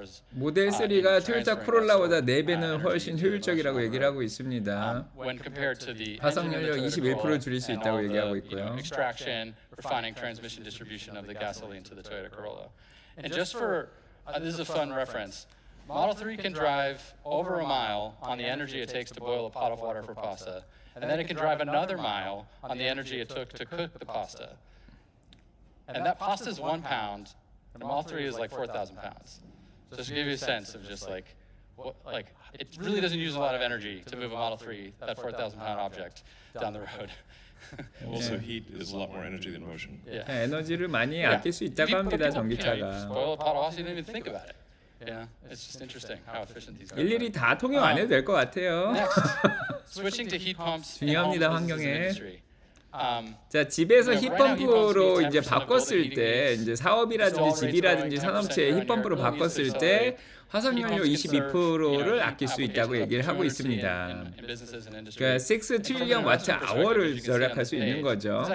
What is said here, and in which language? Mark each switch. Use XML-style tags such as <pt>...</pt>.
<ko>모델 3가 토요타 코롤라보다 네 배는 훨씬 효율적이라고 얘기를 하고 있습니다. 화석 연료 21% 줄일 수 있다고 얘기하고 있고요.</ko> <en>Extraction, refining, transmission, distribution of the gasoline to the Toyota Corolla. And just for this is a fun reference. Model 3 can drive over a mile on the energy it takes to boil a pot of water for pasta, and then it can drive another mile on the energy it took to cook the pasta. And that pasta is 1 pound, and Model 3 is like 4,000 pounds. So just to give you a sense of just like it really doesn't use a lot of energy to move a Model 3, that 4,000-pound object, down the road. Also, heat is a lot more energy than motion. Yeah.</en> <ko>네, 에너지를 많이 아낄 수 있다고 합니다, 전기차가.</ko> <en>Spoil a pot of water, you didn't even think about it. Yeah, it's just interesting how efficient these are.</en> <ko>일일이 다 통용 안 해도 될 것 같아요.</ko> <en>Next, switching to heat pumps in home businesses and industry.</en> <ko>자 집에서 힛펌프로 이제 바꿨을 때 이제 사업이라든지 집이라든지 산업체에 힛펌프로 바꿨을 때 화석연료 22%를 아낄 수 있다고 얘기를 하고 있습니다. 그러니까 6트릴리언 와트 아워를 절약할 수 있는 거죠.</ko>